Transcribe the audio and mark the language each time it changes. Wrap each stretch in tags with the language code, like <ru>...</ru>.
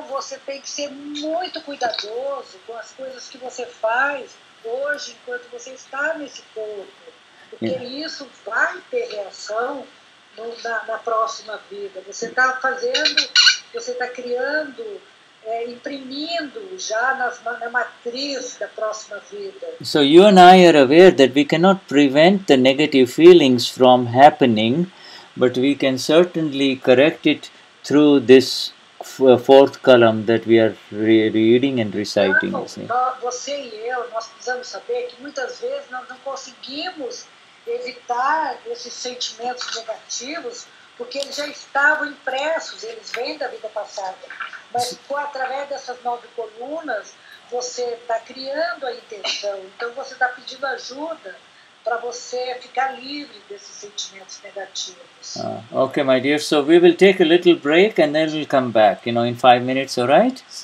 <pt>Então, você tem que ser muito cuidadoso com as coisas que você faz hoje, enquanto você está nesse corpo. Porque isso vai ter reação na próxima vida. Você está fazendo, você está criando, imprimindo já na matriz da próxima vida.</pt> <en>So you and I are aware that we cannot prevent the negative feelings from happening, but we can certainly correct it through this fourth column that we are reading and reciting.</en> <pt>Não, você e eu, nós precisamos saber que muitas vezes nós não conseguimos evitar esses sentimentos negativos, porque eles já estavam impressos, eles vêm da vida passada. Mas através dessas nove colunas, você está criando a intenção. Então, você está pedindo ajuda para você ficar livre desses sentimentos negativos.</pt> <en>Ah, okay, my dear. So, we will take a little break and then we'll come back, you know, in 5 minutes, all right?</en>